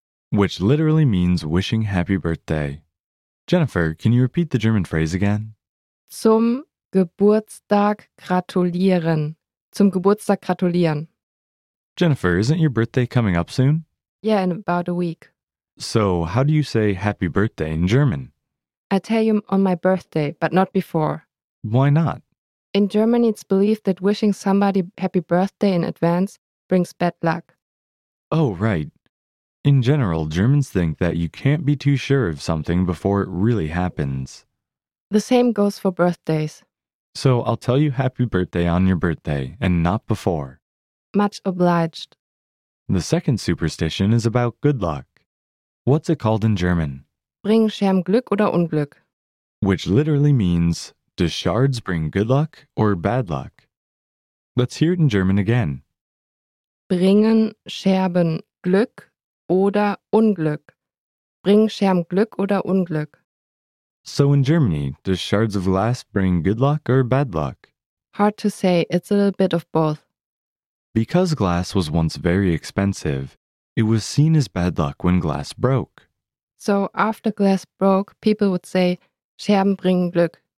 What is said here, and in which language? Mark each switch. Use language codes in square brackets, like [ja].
[en] Which literally means wishing happy birthday. Jennifer, can you repeat the German phrase again? [de] Zum Geburtstag gratulieren. Zum Geburtstag gratulieren. [en] Jennifer, isn't your birthday coming up soon? Yeah, in about a week. So, how do you say happy birthday in German? I tell you on my birthday, but not before. Why not? In Germany, it's believed that wishing somebody happy birthday in advance brings bad luck. Oh, right. In general, Germans think that you can't be too sure of something before it really happens. The same goes for birthdays. So I'll tell you happy birthday on your birthday, and not before. Much obliged. The second superstition is about good luck. What's it called in German? [de] Bring Scherm Glück oder Unglück. [en] Which literally means, do shards bring good luck or bad luck? Let's hear it in German again. [de] Bringen Scherben Glück oder Unglück. Bring Scherm Glück oder Unglück. [en] So in Germany, do shards of glass bring good luck or bad luck? Hard to say, it's a little bit of both. Because glass was once very expensive, it was seen as bad luck when glass broke. So after glass broke, people would say, [de] Scherben bringen Glück.